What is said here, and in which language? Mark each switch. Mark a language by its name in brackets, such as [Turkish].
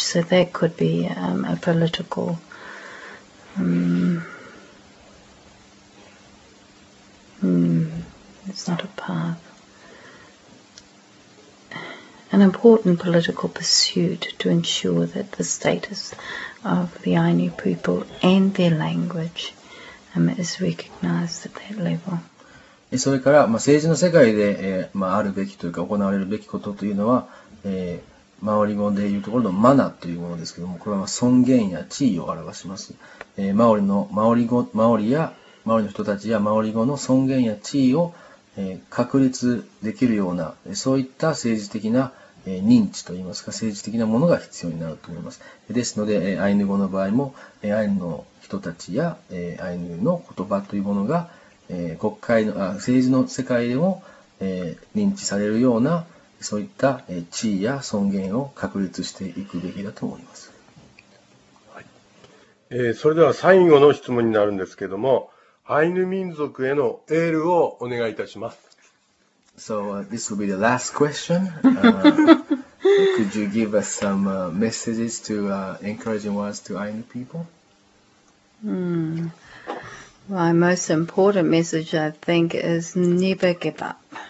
[English] So that could be a political it's not a path. An important political pursuit to ensure that the status of the Ainu people and their language is recognized at that level. [Japanese] それから、政治の世界で、あるべきというか行われるべきことというのは、マオリ語でいうところのマナというものですけども、これは尊厳や地位を表します。マオリの人たちやマオリ語の尊厳や地位を確立できるようなそういった政治的な認知といいますか政治的なものが必要になると思います。ですのでアイヌ語の場合もアイヌの人たちやアイヌの言葉というものが国会の政治の世界でも認知されるようなそういった地位や尊厳を確立していくべきだと思います。はい、それでは最後の質問になるんですけども、アイヌ民族へのエールをお願いいたします。 [English] So this will be the last question. could you give us some messages to encouraging words to Ainu people? My most important message, I think, is never give up.